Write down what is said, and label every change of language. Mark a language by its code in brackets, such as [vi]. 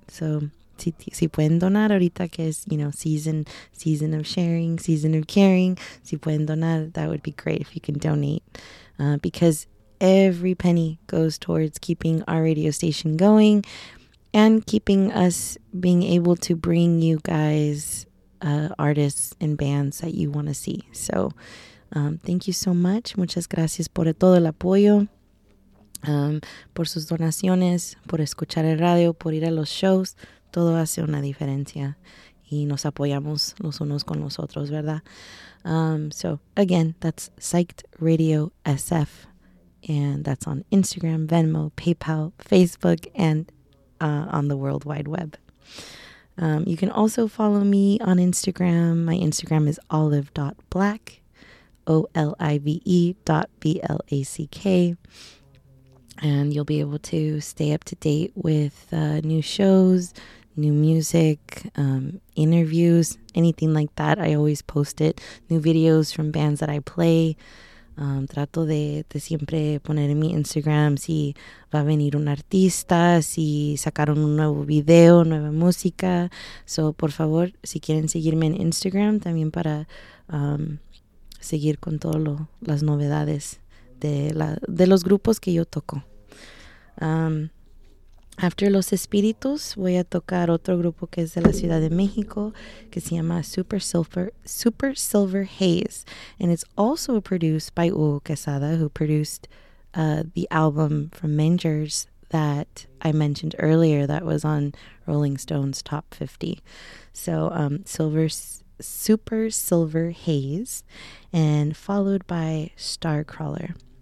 [en] So, [es] si pueden donar ahorita, que es, [en] you know, season of sharing, season of caring, [es] si pueden donar, [en] that would be great if you can donate. Because every penny goes towards keeping our radio station going and keeping us being able to bring you guys artists and bands that you want to see. So thank you so much. [es] Muchas gracias por todo el apoyo, por sus donaciones, por escuchar el radio, por ir a los shows. Todo hace una diferencia y nos apoyamos los unos con los otros, ¿verdad? [en] So again, that's Psyched Radio SF, and that's on Instagram, Venmo, PayPal, Facebook, and on the World Wide Web. You can also follow me on Instagram. My Instagram is olive.black, olive.black. And you'll be able to stay up to date with new shows, new music, interviews, anything like that. I always post it. New videos from bands that I play. [es] Trato de siempre poner en mi Instagram si va a venir un artista, si sacaron un nuevo video, nueva música. So, por favor, si quieren seguirme en Instagram también para seguir con todo las novedades de los grupos que yo toco. [en] After [es] Los Espíritus, voy a tocar otro grupo que es de la Ciudad de México, que se llama Super Silver Haze. [en] And it's also produced by Hugo Quesada, who produced the album from Mangers that I mentioned earlier that was on Rolling Stone's Top 50. So Super Silver Haze, and followed by Starcrawler.